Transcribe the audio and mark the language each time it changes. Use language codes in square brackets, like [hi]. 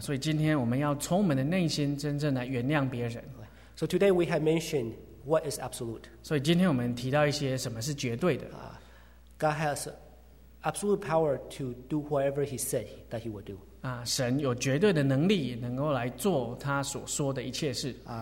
[zh] 所以今天我们要从我们的内心真正来原谅别人。 [en] So today we have mentioned what is absolute. [zh] 所以今天我们提到一些什么是绝对的。 [en] God has absolute power to do whatever he said that he would do. [zh] 神有绝对的能力能够来做他所说的一切事。